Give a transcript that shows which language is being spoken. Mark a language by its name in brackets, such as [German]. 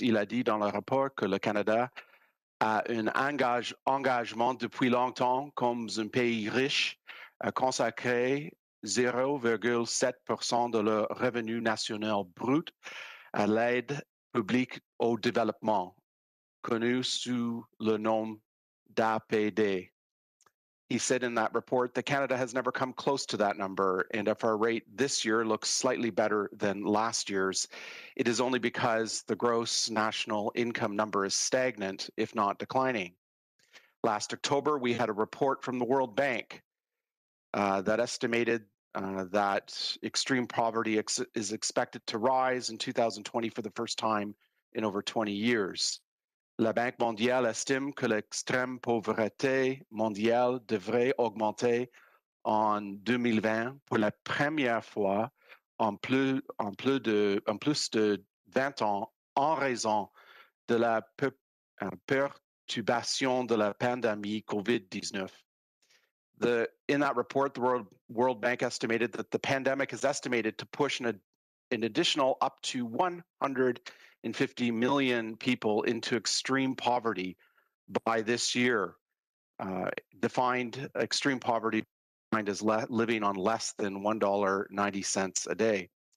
[French] Il a dit dans le rapport que le Canada a un engagement depuis longtemps comme un pays riche à consacrer 0,7% de leur revenu national brut à l'aide publique au développement, connu sous le nom d'APD. [English] He said in that report that Canada has never come close to that number, and if our rate this year looks slightly better than last year's, it is only because the gross national income number is stagnant, if not declining. Last October, we had a report from the World Bank that estimated that extreme poverty is expected to rise in 2020 for the first time in over 20 years. [French] La Banque mondiale estime que l'extrême pauvreté mondiale devrait augmenter en 2020 pour la première fois en plus de 20 ans en raison de la perturbation de la pandémie COVID-19. [English] In that report, the World Bank estimated that the pandemic is estimated to push an additional up to 150 million people into extreme poverty by this year, defined extreme poverty defined as living on less than $1.90 a day.